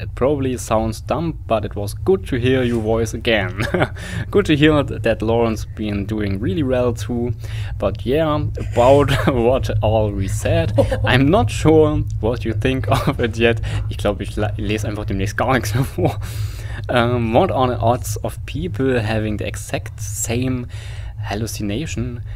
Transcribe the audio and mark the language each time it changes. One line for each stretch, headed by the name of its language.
English: It probably sounds dumb, but it was good to hear your voice again. Good to hear that Lauren's been doing really well too. But yeah, about what all we said, I'm not sure what you think of it yet.
German: Ich glaube, ich lese einfach demnächst gar nichts mehr vor.
English: What are the odds of people having the exact same hallucination?